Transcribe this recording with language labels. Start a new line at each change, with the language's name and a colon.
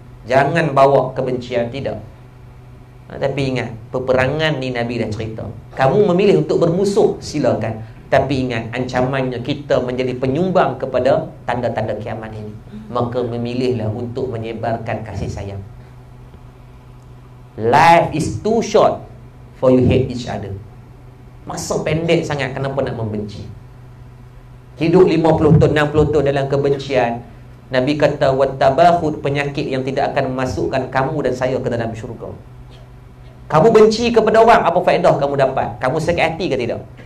Malay: Jangan bawa kebencian, tidak. Tapi ingat, peperangan ni Nabi dah cerita. Kamu memilih untuk bermusuh, silakan. Tapi ingat, ancamannya kita menjadi penyumbang kepada tanda-tanda kiamat ini. Maka memilihlah untuk menyebarkan kasih sayang.
English: Life is too short for you hate each other.
Malay: Masa pendek sangat, kenapa nak membenci? Hidup 50 tahun, 60 tahun dalam kebencian. Nabi kata, wattabakhud, penyakit yang tidak akan memasukkan kamu dan saya ke dalam syurga. Kamu benci kepada orang, apa faedah kamu dapat? Kamu sakit hati ke tidak?